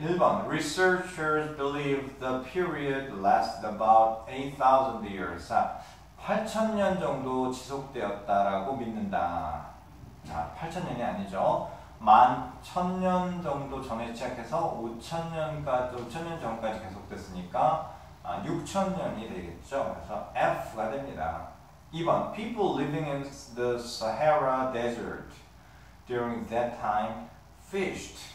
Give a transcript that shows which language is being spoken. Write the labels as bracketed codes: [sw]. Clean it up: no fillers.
[ko] 1번, [en] researchers believe the period lasted about 8,000 years. [ko] 자, 8,000년 정도 지속되었다라고 믿는다. 자, 8,000년이 아니죠. 11,000년 정도 전에 시작해서 5,000년 전까지 계속됐으니까 6,000년이 되겠죠. 그래서 F가 됩니다. 2번, [en] people living in the Sahara Desert during that time fished.